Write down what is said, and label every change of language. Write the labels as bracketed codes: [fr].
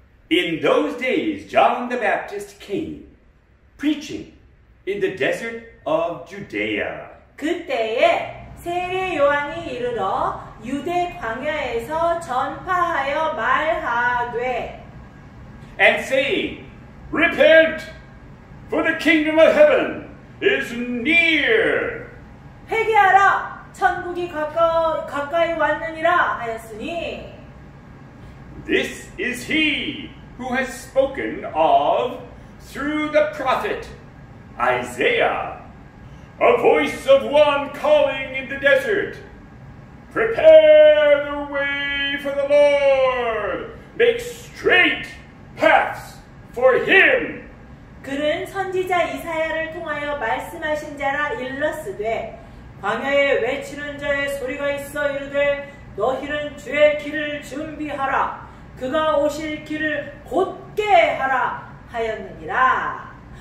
[en] In those days, John the Baptist came preaching in the desert of Judea. [ko] 그때에 세례 요한이 이르러 유대 광야에서 전파하여 말하되. [en] And saying, repent, for the kingdom of heaven is near. [ko] 회개하라, 천국이 가까이 왔느니라 하였으니 [en] This is he who has spoken of through the prophet Isaiah A voice of one calling in the desert Prepare the way for the Lord Make straight paths for him [ko] 그는 선지자 이사야를 통하여 말씀하신 자라 일렀으되 광야에 외치는 자의 소리가 있어 이르되 너희는 주의 길을 준비하라 그가 오실 길을 곧게 하라 하였느니라